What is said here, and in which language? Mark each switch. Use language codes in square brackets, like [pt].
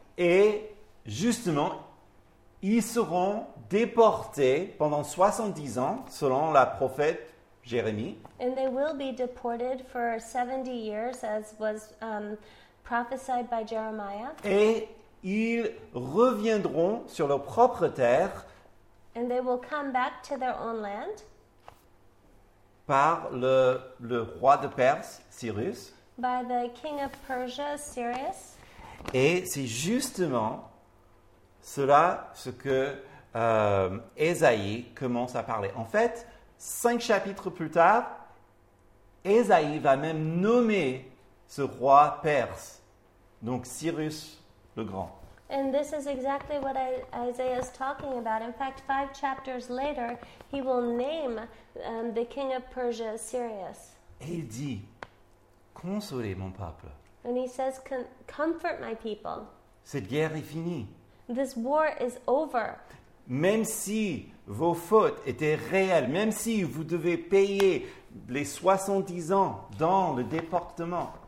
[fr] Et justement, ils seront déportés pendant 70 ans, selon la prophète Jérémie. [en] And they will be deported for 70 years, as was prophesied by Jeremiah. [fr] Et ils reviendront sur leur propre terre. [en] And they will come back to their own land. [fr] Par le roi de Perse, Cyrus. [en] By the king of Persia, Cyrus. [fr] Et c'est justement cela, ce que Ésaïe commence à parler. En fait, 5 chapitres plus tard, Ésaïe va même nommer ce roi perse, donc Cyrus le Grand. [en] And this is exactly what Isaiah is talking about. In fact, 5 chapters later, he will name the king of Persia, Cyrus. [fr] Et il dit, consolez mon peuple. [en] And he says, comfort my people. [fr] Cette guerre est finie. [en] This war is over. [fr] Même si vos fautes étaient réelles, même si vous devez payer les 70 ans dans le déportement.